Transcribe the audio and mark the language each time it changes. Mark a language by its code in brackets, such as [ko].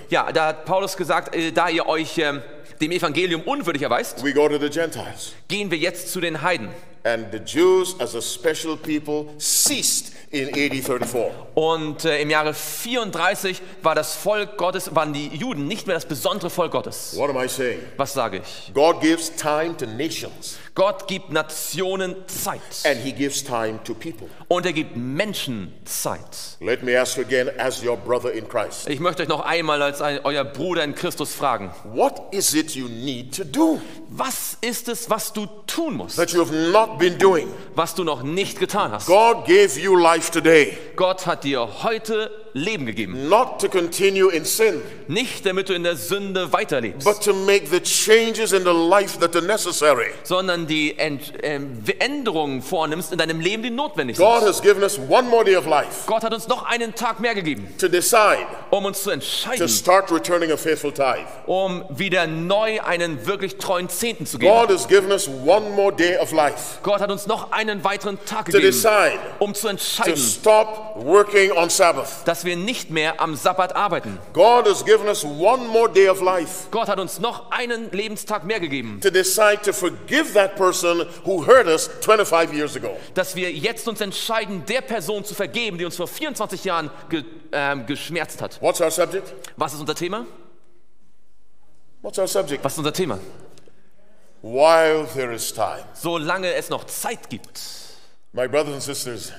[de] Ja, da hat Paulus gesagt, da ihr euch dem Evangelium unwürdig erweist, [en] we go to the Gentiles. [de] Gehen wir jetzt zu den Heiden. [en] and the Jews as a special people ceased in AD 34. [de] Und im Jahre 34 war das Volk Gottes, waren die Juden nicht mehr das besondere Volk Gottes. [en] What am I saying? [de] Was sage ich? [en] God gives time to nations. [de] Gott gibt Nationen Zeit. [en] And he gives time to people. [de] Und er gibt Menschen Zeit. [en] Let me ask you again as your brother in Christ. [de] Ich möchte euch noch einmal als euer Bruder in Christus fragen. [en] What is it you need to do? [de] Was ist es, was du tun musst? [en] That you have not been doing. [de] Was du noch nicht getan hast. [en] God gave you life today. [de] Gott hat dir heute Leben gegeben. [en] Not to continue in sin. [de] Nicht damit du in der Sünde weiterlebst. [en] But to make the changes in the life that are necessary. [de] Sondern die Änderungen vornimmst in deinem Leben, die notwendig sind. [en] God has given us one more day of life. [de] Gott hat uns noch einen Tag mehr gegeben. [en] To decide. [de] Um uns zu entscheiden. [en] To start returning a faithful tithe. [de] Um wieder neu einen wirklich treuen Zehnten zu geben. [en] God has given us one more day of life. [de] Gott hat uns noch einen weiteren Tag gegeben. [en] To decide. [de] Um zu entscheiden. [en] To stop working on Sabbath. [de] Dass wir nicht mehr am Sabbat arbeiten. [en] God has given us one more day of life. [de] Gott hat uns noch einen Lebenstag mehr gegeben. [en] To decide to forgive that person who hurt us 25 years ago. [de] Dass wir jetzt uns entscheiden, der Person zu vergeben, die uns vor 24 Jahren geschmerzt hat. [en] What's our subject? [de] Was ist unser Thema? [en] What's our subject? [de] Was ist unser Thema? [en] While there is time. [de] Solange es noch Zeit gibt. [en] My brothers and sisters.